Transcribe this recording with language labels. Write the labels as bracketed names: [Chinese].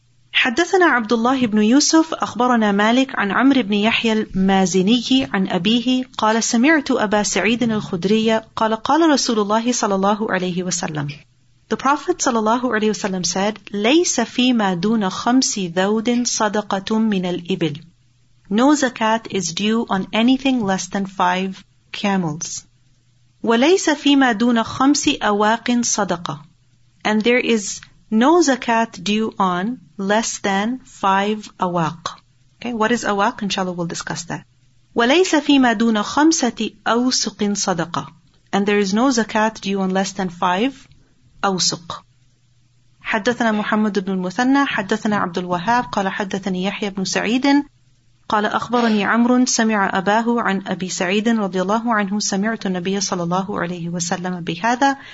[Arabic] حدثنا عبد الله بن يوسف أخبرنا مالك عن عمرو بن يحيى المازني عن أبيه قال سمعت أبا سعيد الخدري قال قال رسول الله صلى الله عليه وسلم. [English] The Prophet [Arabic] صلى الله عليه وسلم [English] said, [Arabic] ليس فيما دون خمس ذود صدقة من الإبل. [English] No zakat is due on anything less than 5 camels. [Arabic] وليس فيما دون خمس أواق صدقة. [English] And there is no zakat due on less than 5 awaq. Okay, what is awaq? Inshallah, we'll discuss that. [Arabic] وَلَيْسَ فِيمَا دُونَ خَمْسَةِ أَوْسُقٍ صَدَقَةٍ. [English] And there is no zakat due on less than 5 awsuq. [Arabic] حدثنا محمد بن المثنى حدثنا عبد الوهاب قال حدثني يحيى بن سعيد قال أخبرني عمرو سمع أباه عن أبي سعيد رضي الله عنه سمعت النبي صلى الله عليه وسلم بهذا.